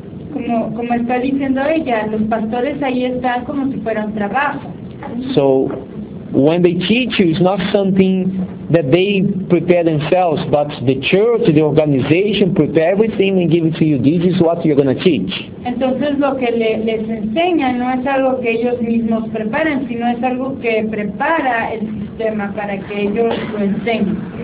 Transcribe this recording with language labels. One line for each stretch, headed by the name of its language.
Spanish: Como está diciendo ella, los pastores ahí están como si fuera un trabajo.
English: So when they teach you, it's not something that they prepare themselves, but the church, the organization, prepare everything and give it to you. This is what you're going to teach.
Spanish: Entonces lo que les enseñan no es algo que ellos mismos preparan, sino es algo que prepara el sistema para que ellos lo enseñen.